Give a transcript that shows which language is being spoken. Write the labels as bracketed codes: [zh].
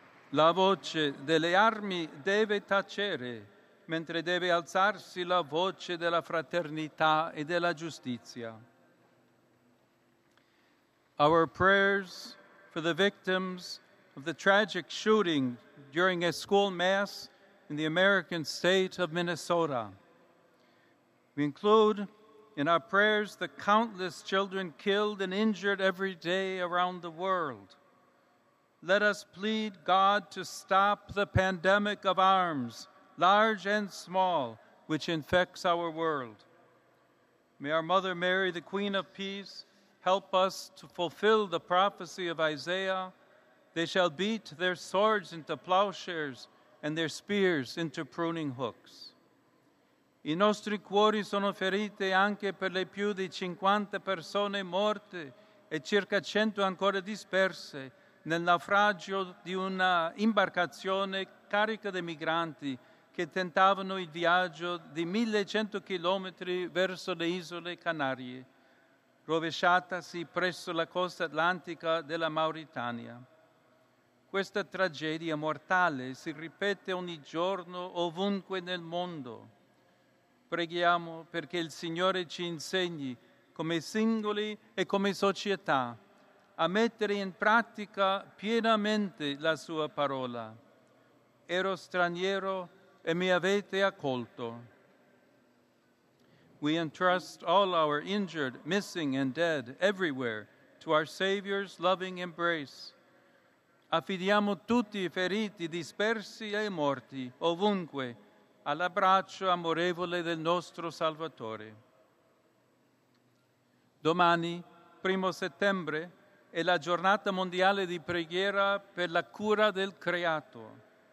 [it] La voce delle armi deve tacere, mentre deve alzarsi la voce della fraternità e della giustizia. [en] Our prayers for the victims of the tragic shooting during a school mass in the American state of Minnesota. We include in our prayers the countless children killed and injured every day around the world. let us plead God to stop the pandemic of arms, large and small, which infects our world. May our Mother Mary, the Queen of Peace, help us to fulfill the prophecy of Isaiah, they shall beat their swords into plowshares and their spears into pruning hooks. [it] I nostri cuori sono ferite anche per le più di 50 persone morte e circa 100 ancora disperse nel naufragio di una imbarcazione carica di migranti che tentavano il viaggio di 1100 chilometri verso le isole Canarie, rovesciatasi presso la costa atlantica della Mauritania. Questa tragedia mortale si ripete ogni giorno ovunque nel mondo. Preghiamo perché il Signore ci insegni, come singoli e come società, a mettere in pratica pienamente la Sua parola. Ero straniero e mi avete accolto. [en] We entrust all our injured, missing, and dead everywhere to our Savior's loving embrace. [it] Affidiamo tutti i feriti, dispersi e morti, ovunque, all'abbraccio amorevole del nostro Salvatore. Domani, 1° settembre, è la giornata mondiale di preghiera per la cura del creato.